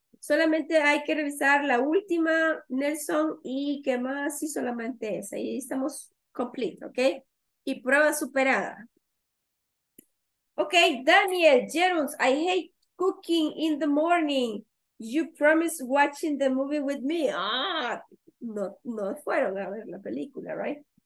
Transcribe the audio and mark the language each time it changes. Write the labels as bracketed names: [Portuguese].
[Spanish] Solamente hay que revisar la última, Nelson, y qué más, y solamente esa. Y estamos complete, ¿ok? Y prueba superada. [English] Ok, Daniel, Jerons, I hate cooking in the morning. You promised watching the movie with me. [Spanish] Ah, no fueron a ver la película, right?